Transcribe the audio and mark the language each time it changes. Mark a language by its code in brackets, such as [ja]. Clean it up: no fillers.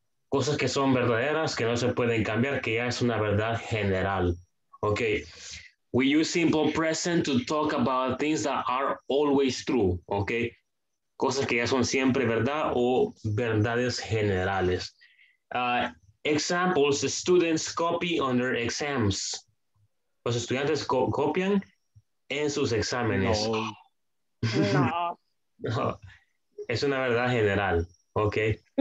[es] Cosas que son verdaderas, que no se pueden cambiar, que ya es una verdad general, okay? [en] We use simple present to talk about things that are always true, okay? [es] Cosas que ya son siempre verdad o verdades generales. [en] Examples, the students copy on their exams. [es] Los estudiantes copian en sus exámenes. No. No, es una verdad general, ¿ok?